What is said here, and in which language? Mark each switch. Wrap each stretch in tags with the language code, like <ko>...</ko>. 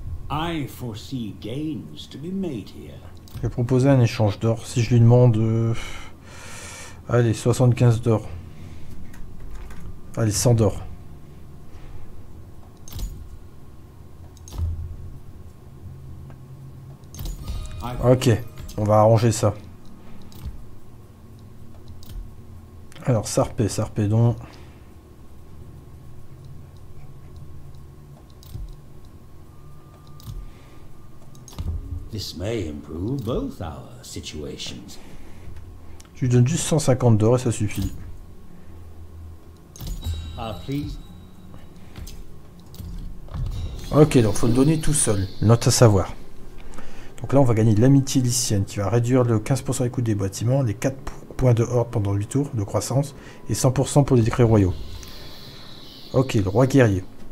<en>I foresee gains to be made here.</en> <fr>Je vais proposer un échange d'or si je lui demande. Allez, 75 d'or. Allez, 100 d'or. Ok, on va arranger ça. Alors, Sarpé donc.</fr> <en>This may improve both our situations.</en> <fr>Je lui donne juste 150 d'or et ça suffit. Ok, donc faut le donner tout seul. Note à savoir. Donc là, on va gagner l'amitié lycienne qui va réduire le 15% des coûts des bâtiments, les 4 points de horde pendant 8 tours de croissance et 100% pour les décrets royaux. Ok, le roi guerrier.</fr>